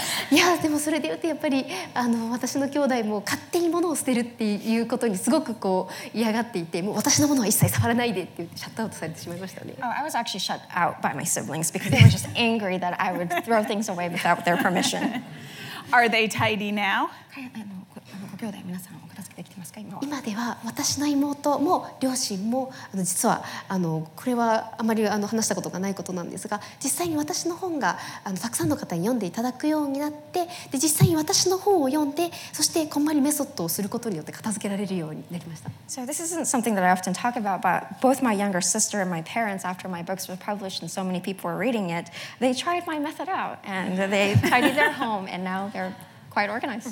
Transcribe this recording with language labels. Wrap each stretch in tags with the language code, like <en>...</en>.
<ja>いや、でもそれで言うとやっぱり私の兄弟も勝手に物を捨てるっていうことにすごくこう嫌がっていて、もう私の物は一切触らないでって言ってシャットアウトされてしまいましたね。</ja> <en>Oh, I was actually shut out by my siblings because they were just angry that I would throw things away without their permission. Are they tidy now?</en> <ja>ご兄弟皆さんお片付けできてしますか今は今では私の妹も両親も実はこれはあまり話したことがないことなんですが実際に私の本がたくさんの方に読んでいただくようになってで実際に私の本を読んでそしてこんまりメソッドをすることによって片付けられるようになりました</ja> <en>So this isn't something that I often talk about but both my younger sister and my parents after my books were published and so many people were reading it they tried my method out and they tidied their home and now they'reQuite organized.</en>